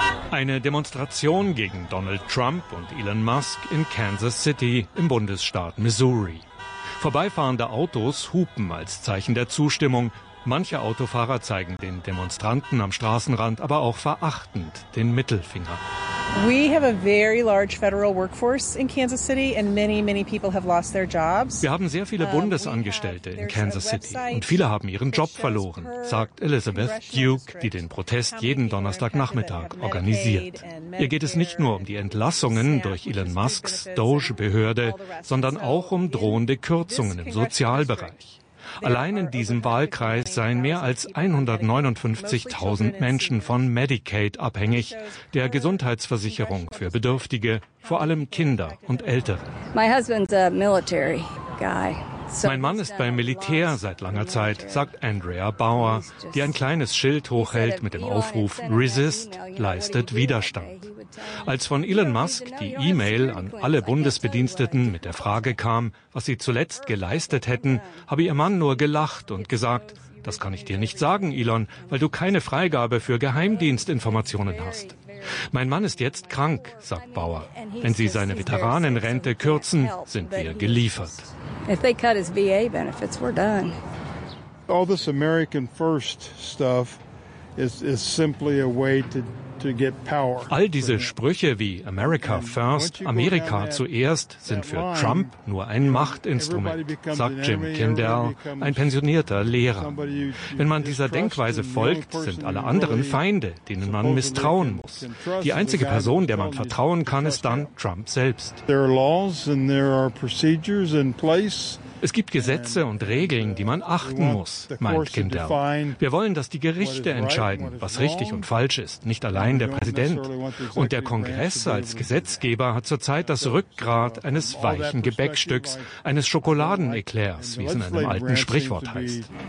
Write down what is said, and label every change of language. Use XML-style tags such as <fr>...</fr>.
<de>Eine Demonstration gegen Donald Trump und Elon Musk in Kansas City im Bundesstaat Missouri. Vorbeifahrende Autos hupen als Zeichen der Zustimmung. Manche Autofahrer zeigen den Demonstranten am Straßenrand aber auch verachtend den Mittelfinger.</de> <en>We have a very large federal workforce in Kansas City and many, many people have lost their jobs.</en> <de>Wir haben sehr viele Bundesangestellte in Kansas City und viele haben ihren Job verloren, sagt Elizabeth Duke, die den Protest jeden Donnerstagnachmittag organisiert. Ihr geht es nicht nur um die Entlassungen durch Elon Musks DOGE-Behörde, sondern auch um drohende Kürzungen im Sozialbereich. Allein in diesem Wahlkreis seien mehr als 159.000 Menschen von Medicaid abhängig, der Gesundheitsversicherung für Bedürftige, vor allem Kinder und Ältere.</de> <en>My husband's a military guy.</en> <de>Mein Mann ist beim Militär seit langer Zeit, sagt Andrea Bauer, die ein kleines Schild hochhält mit dem Aufruf Resist, leistet Widerstand. Als von Elon Musk die E-Mail an alle Bundesbediensteten mit der Frage kam, was sie zuletzt geleistet hätten, habe ihr Mann nur gelacht und gesagt, das kann ich dir nicht sagen, Elon, weil du keine Freigabe für Geheimdienstinformationen hast. Mein Mann ist jetzt krank, sagt Bauer. Wenn sie seine Veteranenrente kürzen, sind wir geliefert.</de> <en>If they cut his VA benefits, we're done. All this American first stuff is simply a way to get power.</en> <de>All diese Sprüche wie</de> <en>America first,</en> <de>Amerika zuerst, sind für Trump nur ein Machtinstrument, sagt Jim Kindell, ein pensionierter Lehrer. Wenn man dieser Denkweise folgt, sind alle anderen Feinde, denen man misstrauen muss. Die einzige Person, der man vertrauen kann, ist dann Trump selbst.</de> <en>There are laws and there are procedures in place.</en> <de>Es gibt Gesetze und Regeln, die man achten muss, meint Kindell. Wir wollen, dass die Gerichte entscheiden, was richtig und falsch ist, nicht allein der Präsident. Und der Kongress als Gesetzgeber hat zurzeit das Rückgrat eines weichen Gebäckstücks, eines Schokoladeneclairs, wie es in einem alten Sprichwort heißt.</de>